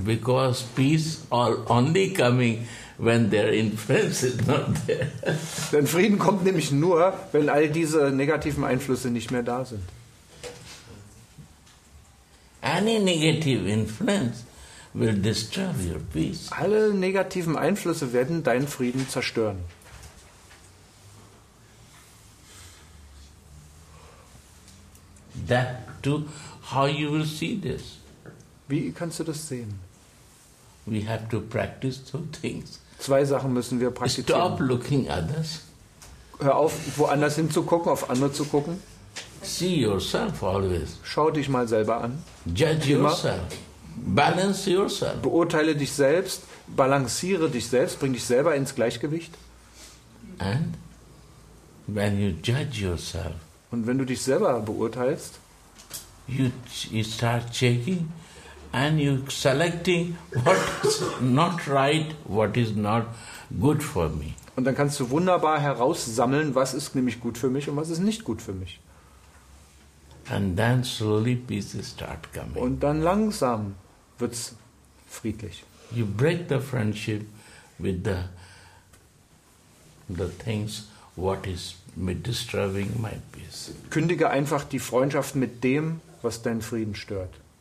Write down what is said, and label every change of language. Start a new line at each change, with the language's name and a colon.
English: Because peace all only coming when their influence is not there.
German: Denn Frieden kommt nämlich nur, wenn all diese negativen Einflüsse nicht mehr da sind.
English: Any negative influence will disturb your peace.
German: Alle negativen Einflüsse werden deinen Frieden zerstören.
English: That too, how you will see this?
German: Wie kannst du das sehen?
English: We have to practice two things.
German: Zwei Sachen müssen wir praktizieren.
English: Stop looking others.
German: Hör auf, woanders hinzugucken, auf andere zu gucken.
English: See yourself always.
German: Schau dich mal selber an.
English: Judge yourself. Balance yourself.
German: Beurteile dich selbst, balanciere dich selbst, bring dich selber ins Gleichgewicht.
English: And when you judge yourself.
German: Und wenn du dich selber beurteilst,
English: you start checking. And you selecting what is not right, what is not good for me.
German: Und dann kannst du wunderbar heraussammeln, was ist nämlich gut für mich und was ist nicht gut für mich.
English: And then slowly peace start coming.
German: Und dann langsam wird's friedlich.
English: You break the friendship with the things what is disturbing my peace.
German: Kündige einfach die Freundschaft mit dem, was deinen Frieden stört.